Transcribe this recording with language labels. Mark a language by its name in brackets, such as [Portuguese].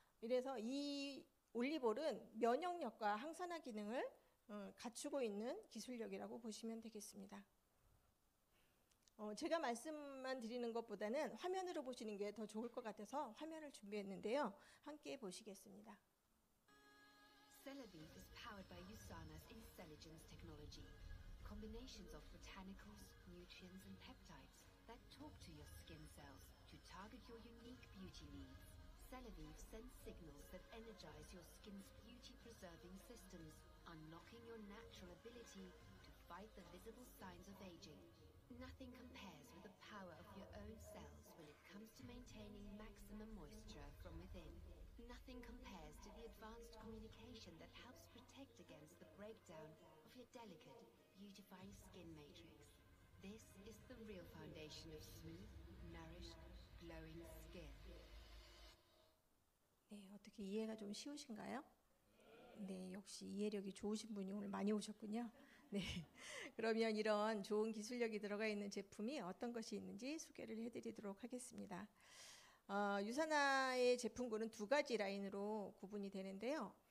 [Korean] 이래서 이 올리볼은 면역력과 항산화 기능을 갖추고 있는 기술력이라고 보시면 되겠습니다. 제가 말씀만 드리는 것보다는 화면으로 보시는 게 더 좋을 것 같아서 화면을 준비했는데요. 함께 보시겠습니다. [English] Celebi is powered by Usana's Intelligence Technology. Combinations of botanicals, nutrients and peptides that talk to your skin cells to target your unique beauty needs. Celebeve sends signals that energize your skin's beauty preserving systems, unlocking your natural ability to fight the visible signs of aging. Nothing compares with the power of your own cells when it comes to maintaining maximum moisture from within. Nothing compares to the advanced communication that helps protect against the breakdown of your delicate, beautifying skin matrix. This is the real foundation of smooth, nourished, glowing skin. [Korean] 네, 어떻게 이해가 좀 쉬우신가요? 네, 역시 이해력이 좋으신 분이 오늘 많이 오셨군요. 네, 그러면 이런 좋은 기술력이 들어가 있는 제품이 어떤 것이 있는지 소개를 해드리도록 하겠습니다. 유산화의 제품군은 두 가지 라인으로 구분이 되는데요.